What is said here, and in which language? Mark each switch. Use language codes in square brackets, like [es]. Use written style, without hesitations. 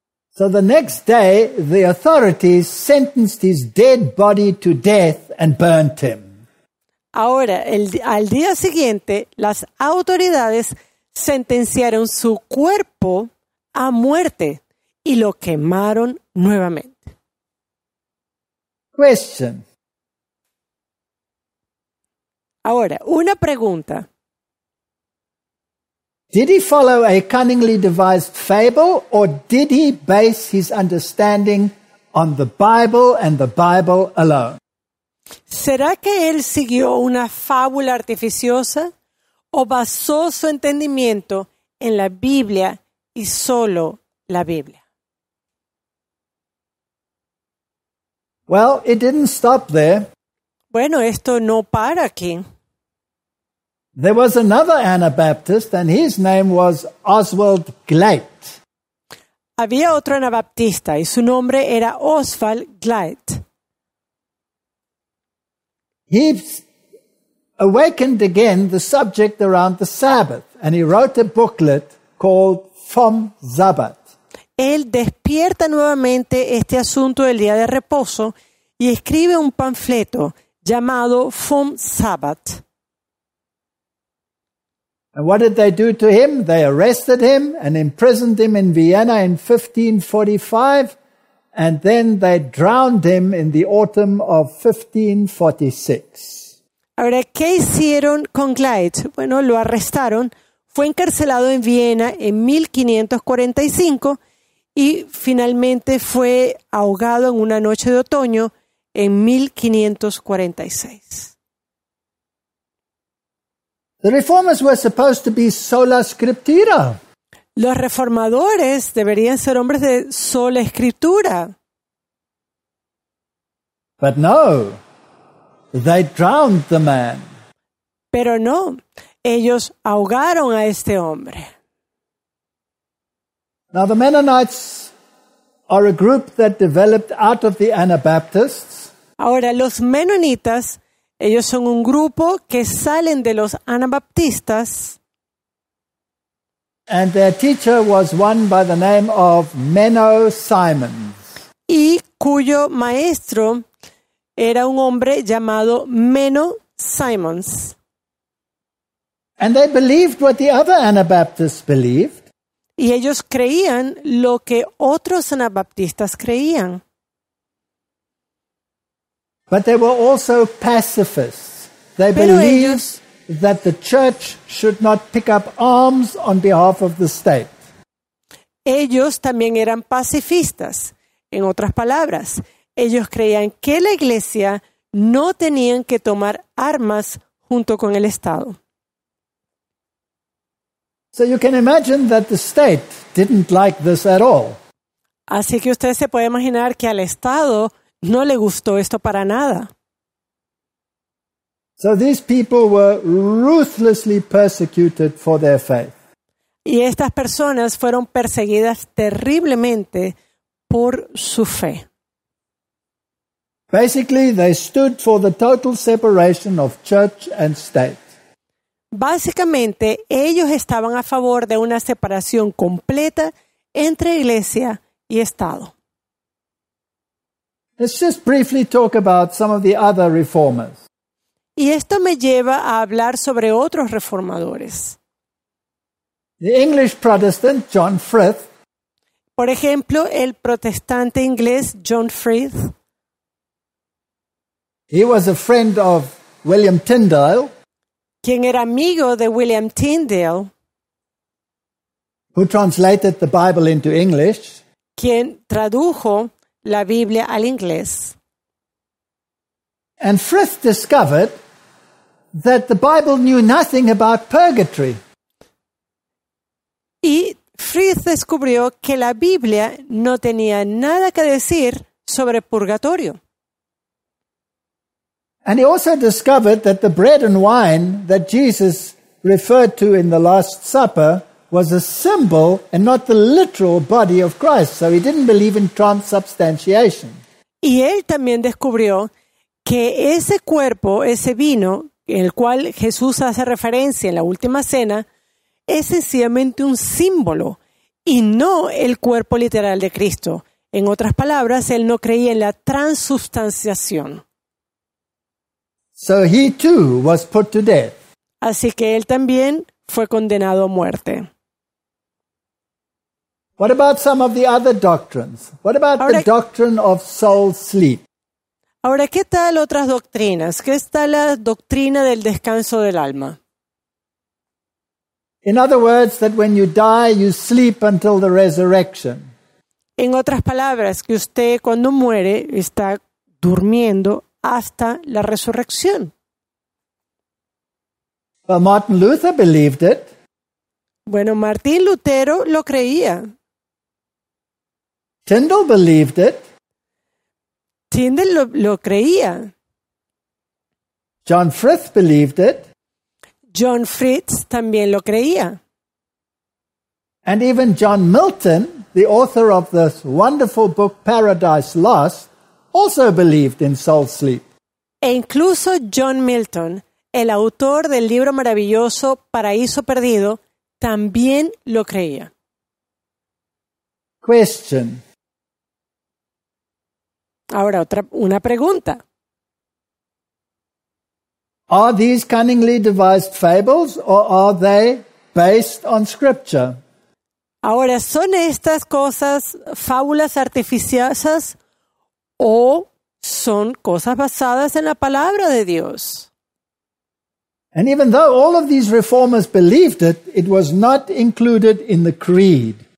[en] So the next day the authorities sentenced his dead body to death and burnt him. [es] Ahora, al día siguiente, las autoridades sentenciaron su cuerpo a muerte y lo quemaron nuevamente. [en] Question. [es] Ahora, una pregunta. [en] Did he follow a cunningly devised fable or did he base his understanding on the Bible and the Bible alone? [es] ¿Será que él siguió una fábula artificiosa o basó su entendimiento en la Biblia y solo la Biblia? [en] Well, it didn't stop there. [es] Bueno, esto no para aquí. [en] There was another Anabaptist and his name was Oswald Glatt. [es] Había otro anabaptista y su nombre era Oswald Glatt. [en] He awakened again the subject around the Sabbath and he wrote a booklet called Vom Sabbat. [es] Él despierta nuevamente este asunto del día de reposo y escribe un panfleto llamado Vom Sabbat. [en] And what did they do to him? They arrested him and imprisoned him in Vienna in 1545. And then they drowned him in the autumn of 1546. [es] Ahora, ¿qué hicieron con Glatt? Bueno, lo arrestaron. Fue encarcelado en Viena en 1545 y finalmente fue ahogado en una noche de otoño en 1546. [en] The reformers were supposed to be sola scriptura. [es] Los reformadores deberían ser hombres de sola escritura. [en] But no, they drowned the man. [es] Pero no, ellos ahogaron a este hombre. [en] Now the Mennonites are a group that developed out of the Anabaptists. [es] Ahora los menonitas, ellos son un grupo que salen de los anabaptistas. [en] And their teacher was one by the name of Menno Simons. [es] Y cuyo maestro era un hombre llamado Menno Simons. [en] And they believed what the other Anabaptists believed. [es] Y ellos creían lo que otros anabaptistas creían. [en] But they were also pacifists. They believed that the church should not pick up arms on behalf of the state. [es] Ellos también eran pacifistas. En otras palabras, ellos creían que la iglesia no tenían que tomar armas junto con el Estado. [en] So you can imagine that the state didn't like this at all. [es] Así que usted se puede imaginar que al Estado no le gustó esto para nada. [en] So these people were ruthlessly persecuted for their faith. [es] Y estas personas fueron perseguidas terriblemente por su fe. [en] Basically, they stood for the total separation of church and state. [es] Básicamente, ellos estaban a favor de una separación completa entre iglesia y Estado. [en] Let's just briefly talk about some of the other reformers. [es] Y esto me lleva a hablar sobre otros reformadores. [en] The English Protestant John Frith. [es] Por ejemplo, el protestante inglés John Frith. [en] He was a friend of William Tyndale. [es] Quien era amigo de William Tyndale. [en] Who translated the Bible into English. [es] Quien tradujo la Biblia al inglés. [en] And Frith discovered that the Bible knew nothing about purgatory. [es] Y Frith descubrió que la Biblia no tenía nada que decir sobre purgatorio. [en] And he also discovered that the bread and wine that Jesus referred to in the Last Supper was a symbol and not the literal body of Christ. So he didn't believe in transubstantiation. [es] Y él también descubrió que ese cuerpo, ese vino, el cual Jesús hace referencia en la última cena, es sencillamente un símbolo y no el cuerpo literal de Cristo. En otras palabras, él no creía en la transubstanciación. [en] So he too was put to death. [es] Así que él también fue condenado a muerte. [en] What about some of the other doctrines? What about the doctrine of soul sleep? [es] Ahora, ¿qué tal otras doctrinas? ¿Qué está la doctrina del descanso del alma? [en] In other words, that when you die, you sleep until the resurrection. [es] En otras palabras, que usted cuando muere está durmiendo hasta la resurrección. [en] But Martin Luther believed it. [es] Bueno, Martín Lutero lo creía. [en] Tyndall believed it. [es] Tyndall lo creía. [en] John Frith believed it. [es] John Fritz también lo creía. [en] And even John Milton, the author of this wonderful book Paradise Lost, also believed in soul sleep. [es] E incluso John Milton, el autor del libro maravilloso Paraíso Perdido, también lo creía. [en] Question. [es] Ahora una pregunta. [en] Are these cunningly devised fables or are they based on scripture? [es] Ahora, ¿son estas cosas fábulas artificiosas o son cosas basadas en la palabra de Dios? [en] And even though all of these reformers believed it, it was not included in the creed.